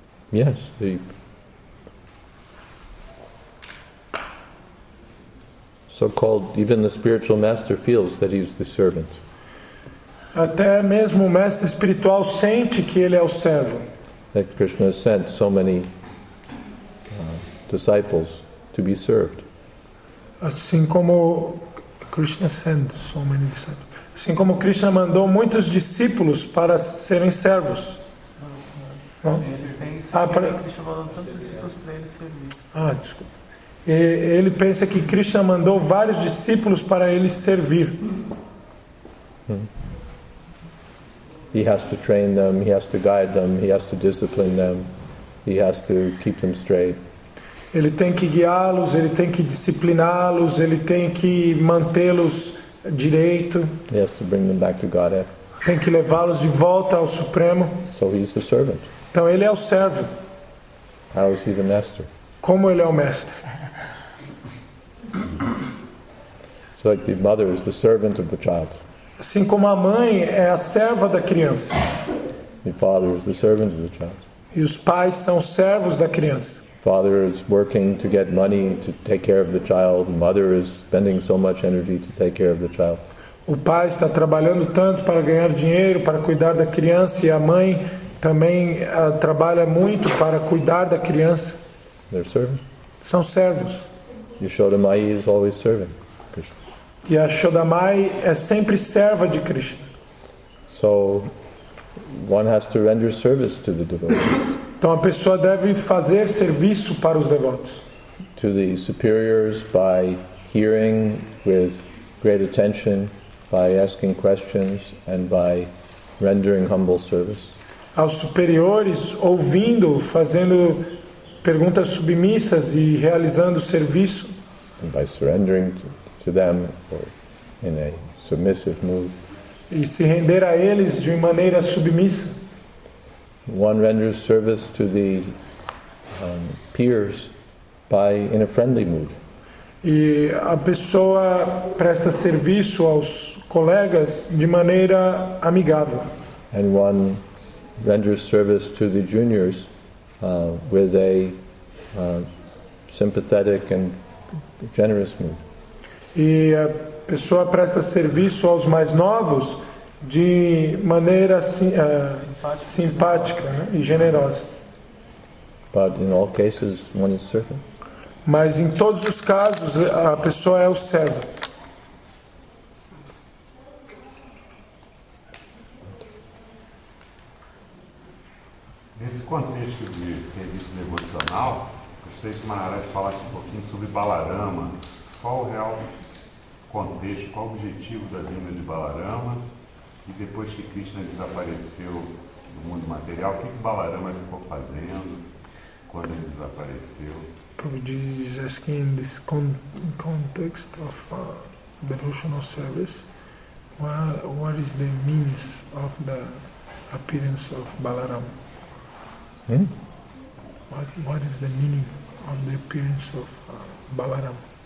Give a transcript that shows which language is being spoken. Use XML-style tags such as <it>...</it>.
<en>Yes, deep. So-called, even the spiritual master feels that he's the servant.</en> <pt>Até mesmo o mestre espiritual sente que ele é o servo.</pt> <en>That Krishna has sent so many disciples to be served.</en> <pt>Assim como Krishna</pt> <en>sent so many disciples.</en> <pt>Assim como Krishna mandou muitos discípulos para serem servos. Não? Krishna mandou tantos discípulos para ele servir. Ah, desculpa. Ele pensa que Krishna mandou vários discípulos para ele servir.</pt> <en>He has to train them, he has to guide them, he has to discipline them, he has to keep them straight.</en> <pt>Ele tem que guiá-los, ele tem que discipliná-los, ele tem que mantê-los direito.</pt> <en>He has to bring them back to Godhead.</en> <pt>Tem que levá-los de volta ao Supremo.</pt> <en>So he is the servant.</en> <pt>Então ele é o servo.</pt> <en>How is he the master?</en> <pt>Como ele é o mestre?</pt> <en>So like the mother is the servant of the child.</en> <pt>Assim como a mãe é a serva da criança.</pt> <en>The father is the servant of the child.</en> <pt>E os pais são servos da criança.</pt> <en>Father is working to get money to take care of the child. Mother is spending so much energy to take care of the child.</en> <pt>O pai está trabalhando tanto para ganhar dinheiro para cuidar da criança e a mãe também trabalha muito para cuidar da criança.</pt> <en>They're servants.</en> <pt>São servos.</pt> <en>Yashodamai is always serving Krishna.</en> <pt>Yashodamai é sempre serva de Krishna.</pt> <en>So one has to render service to the devotees.</en> <pt>Então a pessoa deve fazer serviço para os devotos.</pt> <en>To the superiors by hearing with great attention, by asking questions and by rendering humble service.</en> <pt>Aos superiores, ouvindo, fazendo perguntas submissas e realizando serviço.</pt> <en>And by surrendering to them or in a submissive mood.</en> <pt>E se render a eles de maneira submissa.</pt> <en>One renders service to the peers by in a friendly mood.</en> <pt>E a pessoa presta serviço aos colegas de maneira amigável.</pt> <en>And one renders service to the juniors with a sympathetic and generous mood.</en> <pt>E a pessoa presta serviço aos mais novos de maneira simpática, né, e generosa.</pt> <en>But in all cases, one is servant.</en> <pt>Mas em todos os casos, a pessoa é o servo. Nesse contexto de serviço devocional, gostaria que Maharaj falasse um pouquinho sobre Balarama. Qual o real contexto, qual o objetivo da vinda de Balarama? E depois que Krishna desapareceu do mundo material, o que Balarama ficou fazendo quando ele desapareceu?</pt> <en>Prabhupada is asking in this context of devotional service, what is the means of the appearance of Balarama? What is the meaning of the appearance of Balarama?</en>